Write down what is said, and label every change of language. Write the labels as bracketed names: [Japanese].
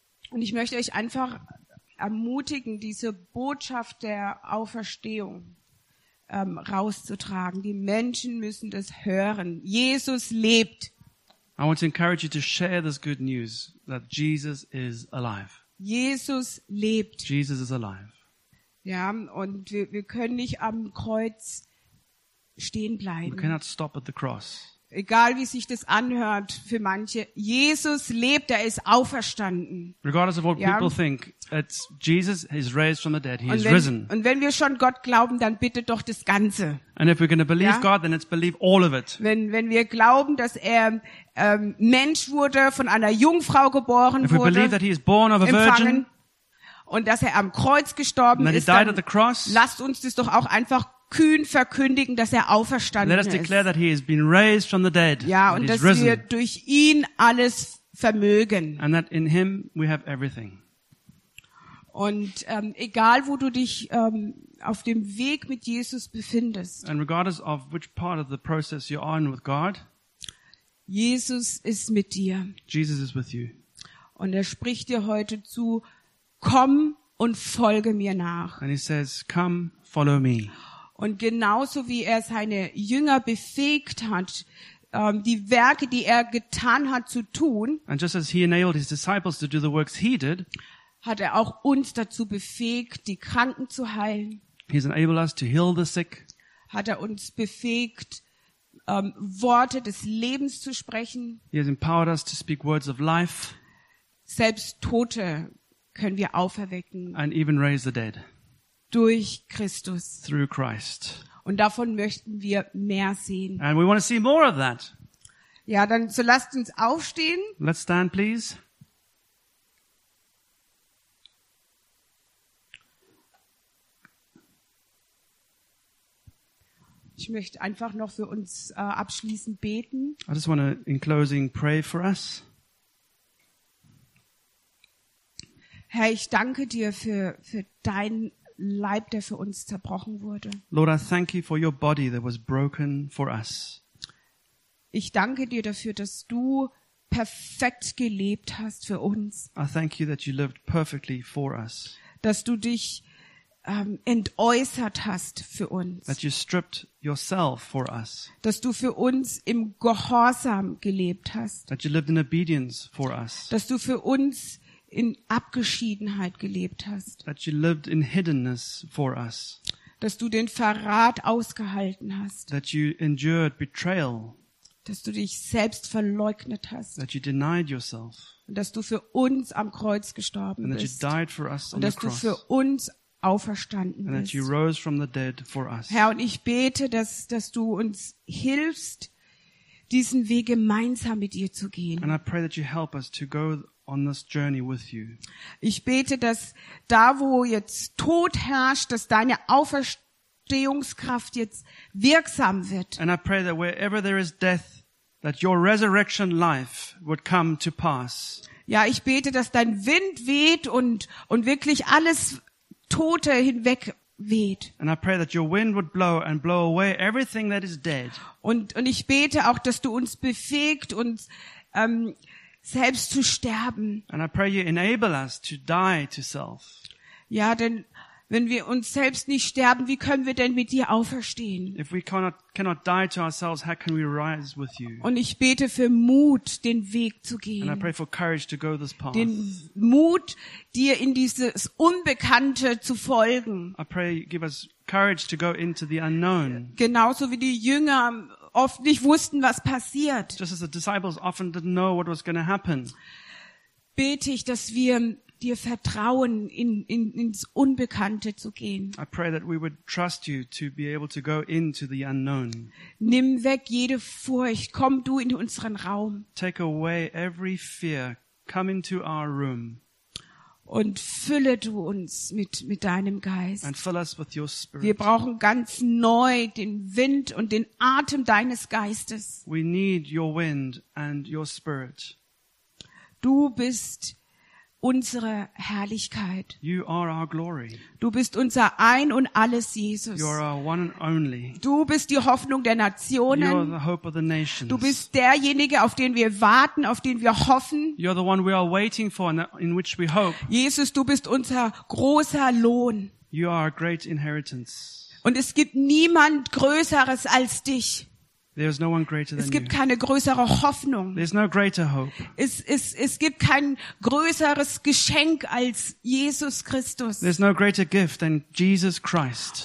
[German] Und ich möchte euch einfach ermutigen, diese Botschaft der Auferstehung rauszutragen. Die Menschen müssen das hören. Jesus lebt. [English] I want to encourage you to share this good news that Jesus is alive. [German] Jesus lebt. [English] Jesus is alive. [German] Ja, und wir können nicht am Kreuz stehen bleiben. [English] We cannot stop at the cross. [German] Egal wie sich das anhört für manche, Jesus lebt, er ist auferstanden. [English] Regardless of what people think, it's Jesus, he's raised from the dead, he is risen. [German] Und wenn wir schon Gott glauben, dann bitte doch das Ganze. [English] And if we're going to believe God, then let's believe all of it. [German] Wenn wir glauben, dass er Mensch wurde, von einer Jungfrau geboren wurde, [English] if we believe that he is born of a virgin, [German] und dass er am Kreuz gestorben ist, dann lasst uns das doch auch einfach kühn verkündigen, dass er auferstanden ist. [English] Let us declare that he has been raised from the dead. [German] Ja, und dass wir durch ihn alles vermögen. [English] And that in him we have everything. [German] Und egal wo du dich auf dem Weg mit Jesus befindest. [English] And regardless of which part of the process you are in with God. [German] Jesus ist mit dir. [English] Jesus is with you. [German] Und er spricht dir heute zu: Komm und folge mir nach. [English] And he says, come, follow me. [German] Und genauso wie er seine Jünger befähigt hat, die Werke, die er getan hat, zu tun, [English] and just as he enabled his disciples to do the works he did, [German] hat er auch uns dazu befähigt, die Kranken zu heilen. [English] He's enabled us to heal the sick. [German] Hat er uns befähigt, Worte des Lebens zu sprechen. [English] He has empowered us to speak words of life. [German] Selbst Tote können wir auferwecken. [English] And even raise the dead. [German] Durch Christus. [English] Through Christ. [German] Und davon möchten wir mehr sehen. [English] And we want to see more of that. [German] Ja, dann so lasst uns aufstehen. [English] Let's stand, please. [German] Ich möchte einfach noch für uns abschließend beten. [English] I just want to, in closing, pray for us. [German] Herr, ich danke dir für dein Leib, der für uns zerbrochen wurde. [English] Lord, I thank you for your body that was broken for us. [German] Ich danke dir dafür, dass du perfekt gelebt hast für uns. [English] I thank you that you lived perfectly for us. [German] Dass du dich entäußert hast für uns. [English] That you stripped yourself for us. [German] Dass du für uns im Gehorsam gelebt hast. [English] That you lived in obedience for us. [German] Dass du für uns in Abgeschiedenheit gelebt hast. [English] That you lived in hiddenness for us. [German] Dass du den Verrat ausgehalten hast. [English] That you endured betrayal. [German] Dass du dich selbst verleugnet hast. [English] That you denied yourself. [German] Und dass du für uns am Kreuz gestorben [English] and [German] bist. [English] That you died for us [German] und dass [English] on the cross. [German] Du für uns auferstanden [English] and [German] bist. [English] That you rose from the dead for us. [German] Herr, und ich bete, dass du uns hilfst, diesen Weg gemeinsam mit dir zu gehen. [English] And I pray that you help us to go on this journey with you. [German] Ich bete, dass da, wo jetzt Tod herrscht, dass deine Auferstehungskraft jetzt wirksam wird. [English] And I pray that wherever there is death, that your resurrection life would come to pass. [German] Ja, ich bete, dass dein Wind weht und wirklich alles Tote hinweg weht. [English] And I pray that your wind would blow and blow away everything that is dead. [German] Und ich bete auch, dass du uns befähigt und selbst zu sterben. [English] And I pray you enable us to die to self. [German] Ja, denn wenn wir uns selbst nicht sterben, wie können wir denn mit dir auferstehen? [English] If we cannot die to ourselves, how can we rise with you? [German] Und ich bete für Mut, den Weg zu gehen. [English] And I pray for courage to go this path. [German] Den Mut, dir in dieses Unbekannte zu folgen. [English] I pray give us courage to go into the unknown. [German] Genauso wie die Jünger oft nicht wussten, was passiert. [English] Just as the disciples often didn't know what was going to happen. [German] Bete ich, dass wir dir vertrauen, ins Unbekannte zu gehen. [English] I pray that we would trust you to be able to go into the unknown. [German] Nimm weg jede Furcht, komm du in unseren Raum. [English] Take away every fear, come into our room. [German] Und fülle du uns mit deinem Geist. [English] And fill us with your spirit. [German] Wir brauchen ganz neu den Wind und den Atem deines Geistes. [English] We need your wind and your spirit. [German] Du bist unsere Herrlichkeit. [English] You are our glory. [German] Du bist unser Ein und Alles, Jesus. [English] You are our one and only. [German] Du bist die Hoffnung der Nationen. [English] You are the hope of the nations. [German] Du bist derjenige, auf den wir warten, auf den wir hoffen. [English] You are the one we are waiting for and in which we hope. [German] Jesus, du bist unser großer Lohn. [English] You are a great inheritance. [German] Und es gibt niemand Größeres als dich. [English] There is no one greater than you. [German] Es gibt [English] you. [German] Keine größere Hoffnung. [English] There's no greater hope. [German] Es gibt kein größeres Geschenk als Jesus Christus. [English] There's no greater gift than Jesus Christ.